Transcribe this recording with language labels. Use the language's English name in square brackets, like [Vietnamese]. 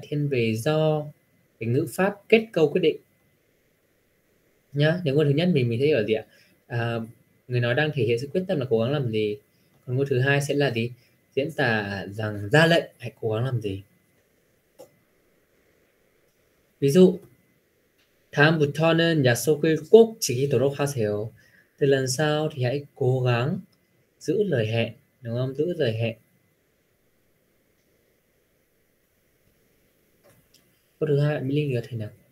[Vietnamese] Thiên về do cái ngữ pháp kết câu quyết định. Nhá, nếu ngôi thứ nhất mình thấy ở gì ạ? À, người nói đang thể hiện sự quyết tâm là cố gắng làm gì. Còn ngôi thứ hai sẽ là gì? Diễn tả rằng ra lệnh hãy cố gắng làm gì. Ví dụ, [Korean] 다음부터는 약속을 꼭 지키도록 하세요. [Vietnamese] Từ lần sau thì hãy cố gắng giữ lời hẹn, đúng không? Giữ lời hẹn. Câu thứ hai, mình liên lạc thế nào?